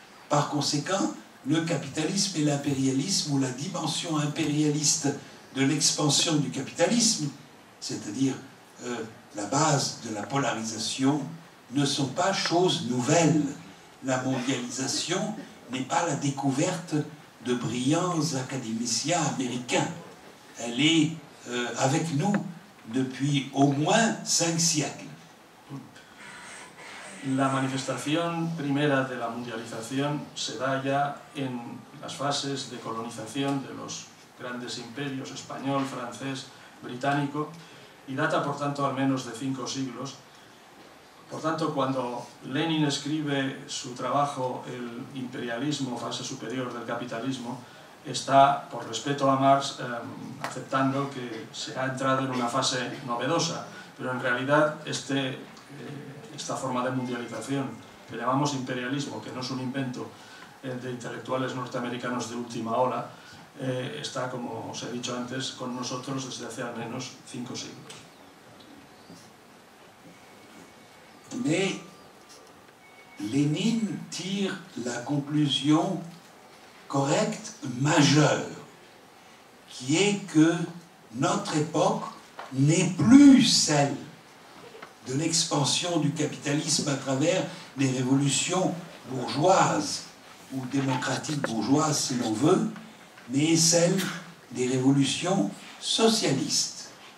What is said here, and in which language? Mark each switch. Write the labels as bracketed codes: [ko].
[fr] Par conséquent, le capitalisme et l'impérialisme, ou la dimension impérialiste de l'expansion du capitalisme, c'est-à-dire la base de la polarisation, ne sont pas choses nouvelles. La mondialisation n'est pas la découverte de brillants académiciens américains. Elle est avec nous depuis au moins 5 siècles. [es] La manifestación primera de la mundialización se da ya en las fases de colonización de los grandes imperios español, francés, británico y data por tanto al menos de 5 siglos. Por tanto, cuando Lenin escribe su trabajo El imperialismo, fase superior del capitalismo, está, por respeto a Marx, aceptando que se ha entrado en una fase novedosa, pero en realidad esta forma de mundialización, que llamamos imperialismo, que no es un invento de intelectuales norteamericanos de última ola, está, como os he dicho antes, con nosotros desde hace al menos 5 siglos. [fr] Mais Lénine tire la conclusion correcte majeure, qui est que notre époque n'est plus celle de l'expansion du capitalisme à travers des révolutions bourgeoises, ou démocratiques bourgeoises si l'on veut, mais celle des révolutions socialistes.